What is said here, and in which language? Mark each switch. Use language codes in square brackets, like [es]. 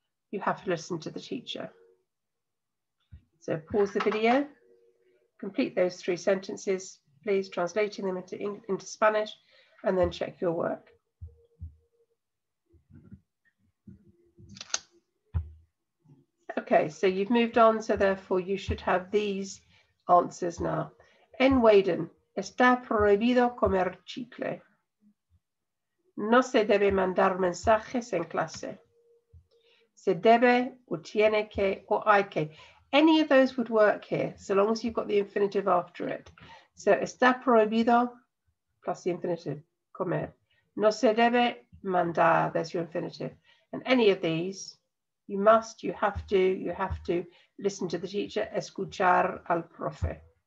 [en] You have to listen to the teacher. So pause the video, complete those three sentences, please, translating them into Spanish, and then check your work. Okay, so you've moved on, so therefore you should have these answers now. [es] En Waden, está prohibido comer chicle. No se debe mandar mensajes en clase. Se debe, o tiene que, o hay que. [en] Any of those would work here, so long as you've got the infinitive after it. So, [es] está prohibido, [en] plus the infinitive, comer. [es] No se debe mandar, [en] there's your infinitive. And any of these, you must, you have to listen to the teacher, [es] escuchar al profe.